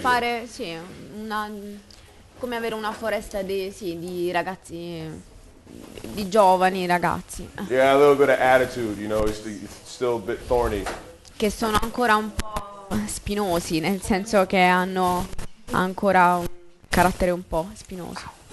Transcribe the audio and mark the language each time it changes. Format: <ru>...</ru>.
<it>Come fare, sì, una, come avere una foresta di ragazzi, di giovani ragazzi.</it> <en>Yeah, a little bit of attitude, you know, it's still a bit thorny.</en> <it>Che sono ancora un po' spinosi, nel senso che hanno ancora un carattere un po' spinoso.</it>